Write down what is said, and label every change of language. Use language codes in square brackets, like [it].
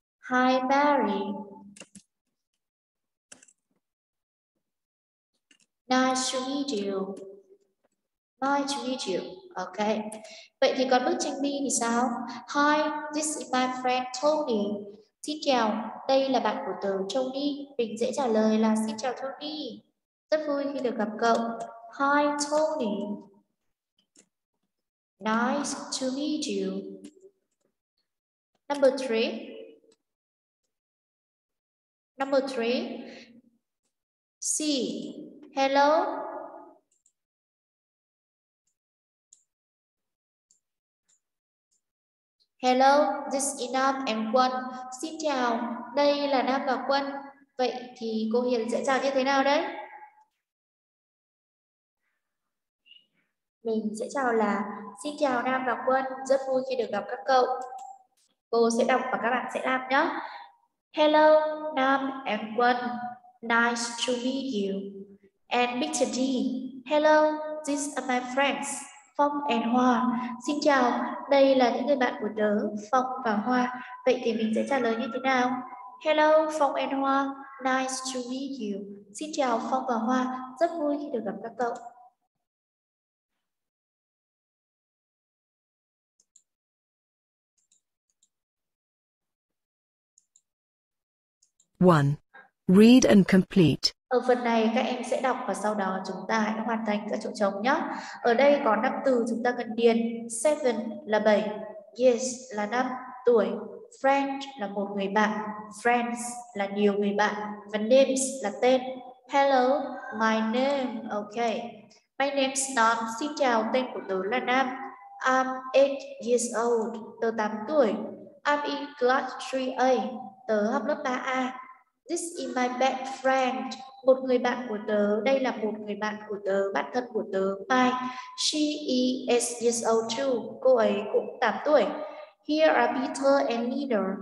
[en] Hi Mary. Nice to meet you. Nice to meet you. Okay. [vi] Vậy thì còn bức tranh B thì sao? [en] Hi, this is my friend Tony. [vi] Xin chào, đây là bạn của tớ Tony. Mình dễ trả lời là xin chào Tony. Rất vui khi được gặp cậu. Hi Tony. [en] Nice to meet you. Number three. Number three, C, hello. Hello, this is Nam and Quân. [vi] Xin chào, đây là Nam và Quân. Vậy thì cô Hiền sẽ chào như thế nào đấy? Mình sẽ chào là xin chào Nam và Quân, rất vui khi được gặp các cậu. Cô sẽ đọc và các bạn sẽ làm nhé. [en] Hello, Nam and Quân. Nice to meet you. And Mr. D. Hello, these are my friends, Phong and Hoa. [vi] Xin chào, đây là những người bạn của tớ, Phong và Hoa. Vậy thì mình sẽ trả lời như thế nào? [en] Hello, Phong and Hoa. Nice to meet you. [vi] Xin chào, Phong và Hoa. Rất vui khi được gặp các cậu. [en] One, read and complete. [vi] Ở phần này các em sẽ đọc và sau đó chúng ta hãy hoàn thành các chỗ trống nhé. Ở đây có năm từ chúng ta cần điền. Seven là bảy. Yes là năm. Tuổi. Friend là một người bạn. Friends là nhiều người bạn. Và names là tên. [en] Hello, my name. Okay. My name's Nam. [vi] Xin chào, tên của tớ là Nam. [en] I'm 8 years old. [vi] Tớ 8 tuổi. [en] I'm in class 3A. [vi] Tớ học lớp 3A. [en] This is my best friend. [vi] Một người bạn của tớ. Đây là một người bạn của tớ, bạn thân của tớ. [en] My. She is years old too. [vi] Cô ấy cũng 8 tuổi. [en] Here are Peter and Linda.